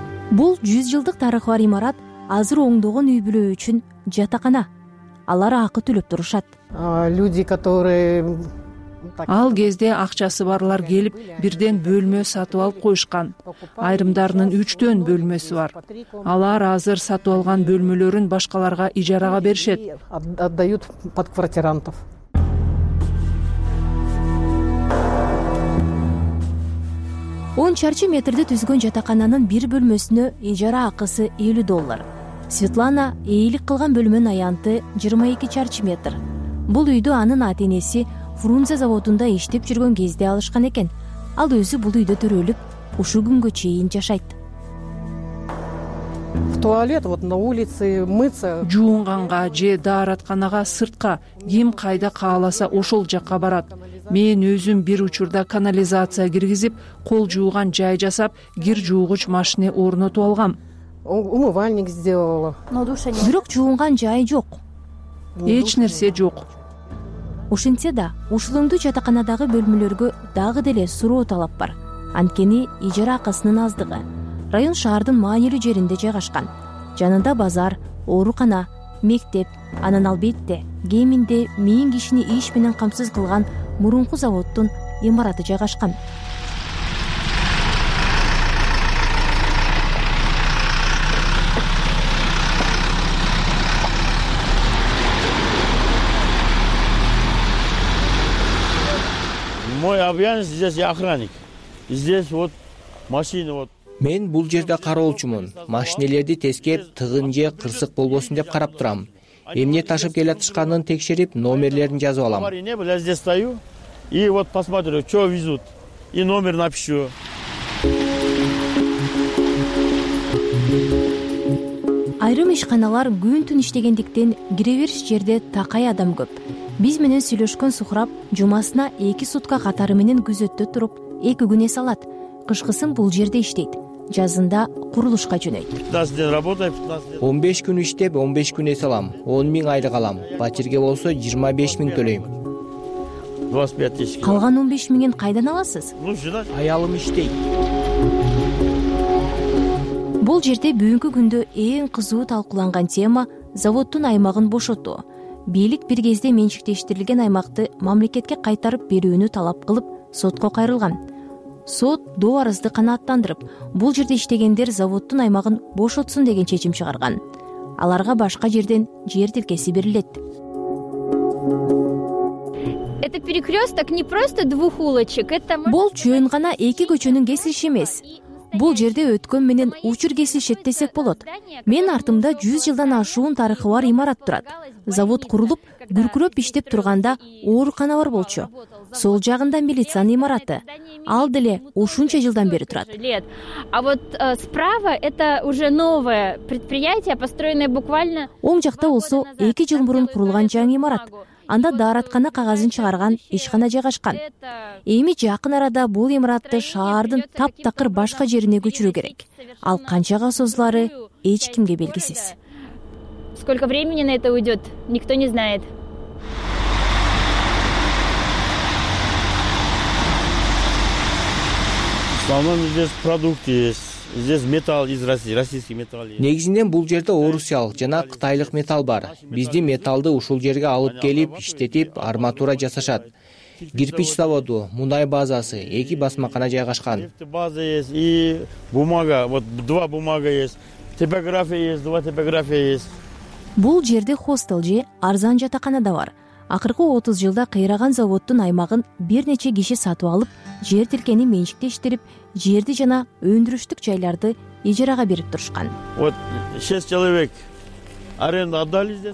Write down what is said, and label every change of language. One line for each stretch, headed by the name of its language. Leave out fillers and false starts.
Kyrgyz: Бул 100 жылдык тарыхы бар имарат азыр оңдогон үй бүлө үчүн жатакана. Алар акы төлөп турушат.
Russian: Люди, которые
Kyrgyz: Ал кезде акчасы барлар келип, бирден бөлмө сатып алып коюшкан. Айрымдарынын 3-тен бөлмөсү бар. Алар азыр сатып алган бөлмөлөрүн башкаларга ижарага беришет.
Russian: Отдают под квартирантов.
Kyrgyz: Он чарчы метрди түзгөн жатакананын бир бөлмөсүнө ижара акысы $50. Светлана ээлик кылган бөлмөнүн аянты 22 чарчы метр. Бул үйдү анын ата-энеси Фрунзе заводунда иштеп жүргөн кезде алышкан экен. Ал өзү бул үйдө төрөлүп, ушу күнгө чейин жашайт.
Russian: В туалет вот на улице мыться.
Kyrgyz: Жуунганга же дааратканага сыртка ким кайда кааласа ошол жакка барат. Мен өзүм бир учурда канализация киргизип, кол жууган жай жасап, кир жуугуч машине орнотуп алгам.
Russian: Умывальник сделала. Но душа нет.
Kyrgyz: Бирок жуунган жай жок. Эч нерсе жок. Ошентсе да, ушулумдуу жатаканадагы бөлмөлөргө дагы деле суроо талап бар. Анткени ижара акысынын аздыгы. Район шаардын маанилүү жеринде жайгашкан. Жанында базар, оорукана, мектеп, анан албетте кеминде миң кишини иш менен камсыз кылган мурунку заводдун имараты жайгашкан.
Russian: Мой обязанность здесь я охранник. Здесь вот машина вот.
Kyrgyz: Мен бул жерде кароолчумун. Машинелерди тескеп, тыгын же кырсык болбосун деп карап турам. Эмне ташып келатышканын текшерип, номерлерин жазып алам.
Russian: Я здесь стою и вот посмотрю, что везут и номер напишу.
Kyrgyz: Айрым ишканалар күн-түн иштегендиктен кирериш жерде такай адам көп. Биз менен сүйлөшкөн Сухрап жумасына 2 сутка катары менен күзөттө туруп, 2 күн эс алат. Кышкысын бул жерде иштейт. Жазында курулушка жөнөйт. 15 күн иштеп, 15 күн эс алам. 10,000 айлык алам. Батирге болсо 25,000 төлөйм. 25,000. Калган 15,000 кайдан аласыз? Аялым иштейт. Бул жерде бүгүнкү күндө эң кызуу талкууланган тема заводдун аймагын бошотуу. Бийлик бир кезде менчиктештирилген аймакты мамлекетке кайтарып берүүнү талап кылып, сотко кайрылган. Сот доо арызды канааттандырып, бул жерде иштегендер заводдун аймагын бошотсун деген чечим чыгарган. Аларга башка жерден жер тилкеси берилет.
Russian: Это перекрёсток не просто двух улочек, это
Kyrgyz: бул чөйүн гана эки көчөнүн кесилиши эмес. Бул жерде өткөн менен учур кесилишет десек болот. Мен артымда 100 жылдан ашуун тарыхы бар имарат турат. Завод курулуп, күркүрөп иштеп турганда оорукана бар болчу. Сол жагында милициянын имараты. Ал деле ушунча жылдан бери турат.
Russian: А вот справа это уже новое предприятие, построенное буквально.
Kyrgyz: Оң жакта болсо 2 жыл мурун курулган жаңы имарат. Анда дааратканы кагазын чыгарган ишкана жайгашкан. Эми жакын арада бул имаратты шаардын таптакыр башка жерине көчүрүү керек. Ал канчага созулары эч кимге белгисиз.
Russian: Сколько времени на это уйдет, никто не знает. В основном здесь продукты есть. Здесь металл из России, российский металл.
Kyrgyz: Негизинен бул жерде орусиялык жана кытайлык металл бар. Бизди металлды ушул жерге алып келип, иштетип, арматура жасашат. Кирпич заводу, мунай базасы, эки басмакана жайгашкан.
Russian: База есть и бумага, вот два бумага есть. Типография есть, два типография есть.
Kyrgyz: Бул жерде хостел же арзан жатакана да бар. Акыркы 30 жылда кыйраган заводдун аймагын бир нече киши сатып алып, жер тилкени менчиктештирип, жерди жана өндүрүштүк жайларды ижарага берип турушкан.
Russian: Вот 6 человек аренда отдали здесь.